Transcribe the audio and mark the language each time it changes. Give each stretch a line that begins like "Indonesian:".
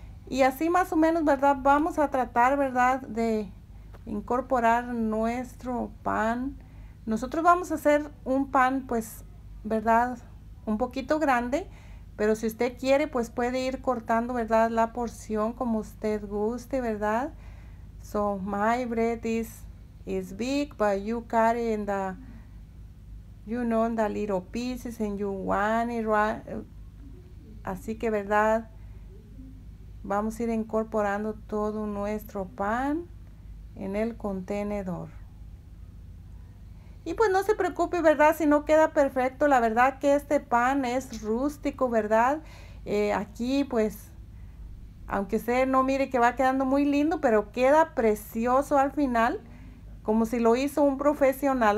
Spanish: Y así más o menos, ¿verdad? Vamos a tratar, ¿verdad? De incorporar nuestro pan. Nosotros vamos a hacer un pan, pues, ¿verdad? Un poquito grande, pero si usted quiere, pues puede ir cortando, ¿verdad? La porción como usted guste, ¿verdad?
English: So, my bread is big, but you cut it in the, in the little pieces and you want it right.
Spanish: Así que, ¿verdad? Vamos a ir incorporando todo nuestro pan en el contenedor. Y pues no se preocupe, ¿verdad? Si no queda perfecto. La verdad que este pan es rústico, ¿verdad? Aquí, pues, aunque usted no mire que va quedando muy lindo, pero queda precioso al final, como si lo hizo un profesional.